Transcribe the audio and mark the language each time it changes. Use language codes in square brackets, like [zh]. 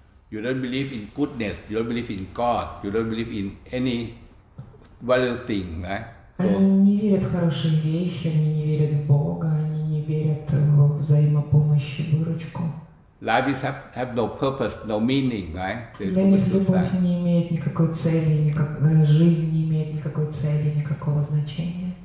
[en] You don't believe in goodness. You don't believe in God. You don't believe in any valuable thing, right? [ru] So, они не верят в хорошие вещи. Они не верят в Бога. Они не верят в взаимопомощь и выручку. [en] Life is have no purpose, no meaning, right? [ru] Для них любовь не имеет никакой цели, жизнь не имеет никакой цели, никакого значения.